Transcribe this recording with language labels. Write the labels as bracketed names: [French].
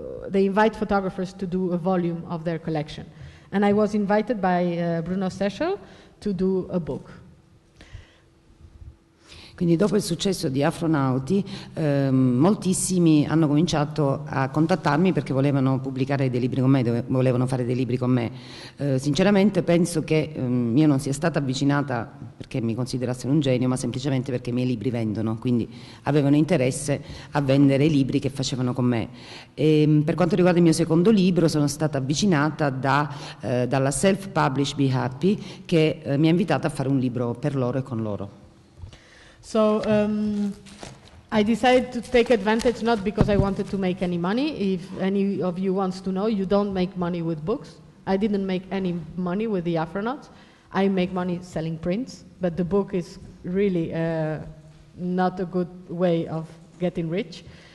[English] They invite photographers to do a volume of their collection. And I was invited by Bruno Sechel to do a book. [Italian] Quindi dopo il successo di Afronauti, moltissimi hanno cominciato a contattarmi perché volevano pubblicare dei libri con me, volevano fare dei libri con me. Sinceramente penso che io non sia stata avvicinata perché mi considerassero un genio, ma semplicemente perché i miei libri vendono, quindi avevano interesse a vendere i libri che facevano con me. E, per quanto riguarda il mio secondo libro, sono stata avvicinata dalla Self Publish Be Happy, che mi ha invitata a fare un libro per loro e con loro. [English] So I decided to take advantage, not because I wanted to make any money. If any of you wants to know, you don't make money with books. I didn't make any money with the Afronauts. I make money selling prints, but the book is really not a good way of getting rich.